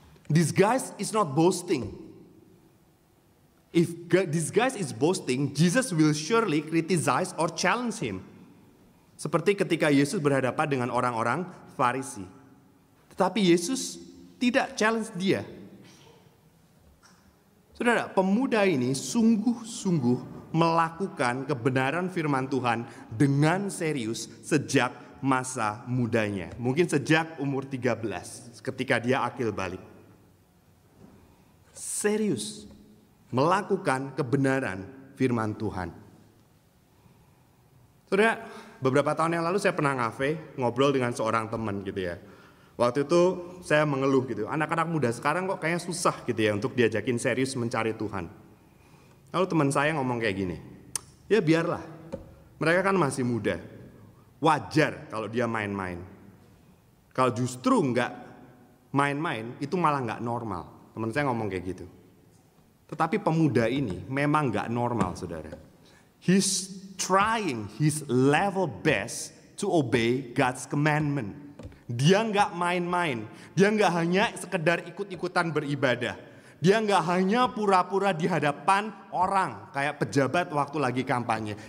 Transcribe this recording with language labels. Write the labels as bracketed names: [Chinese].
[English] This guy is not boasting. If this guy is boasting, Jesus will surely criticize or challenge him. [Indonesian] Seperti ketika Yesus berhadapan dengan orang-orang Farisi. Tetapi Yesus tidak challenge dia. Saudara, pemuda ini sungguh-sungguh melakukan kebenaran firman Tuhan dengan serius sejak masa mudanya. Mungkin sejak umur 13 ketika dia akil balig. Serius melakukan kebenaran firman Tuhan. Saudara, beberapa tahun yang lalu saya pernah ngafe, ngobrol dengan seorang teman gitu ya. Waktu itu saya mengeluh gitu, anak-anak muda sekarang kok kayaknya susah gitu ya untuk diajakin serius mencari Tuhan. Lalu teman saya ngomong kayak gini, ya biarlah, mereka kan masih muda, wajar kalau dia main-main. Kalau justru enggak main-main, itu malah enggak normal. Teman saya ngomong kayak gitu. Tetapi pemuda ini memang enggak normal, saudara. [English] He's trying his level best to obey God's commandment. [Indonesian] Dia enggak main-main. Dia enggak hanya sekedar ikut-ikutan beribadah. Dia enggak hanya pura-pura di hadapan orang kayak pejabat waktu lagi kampanye.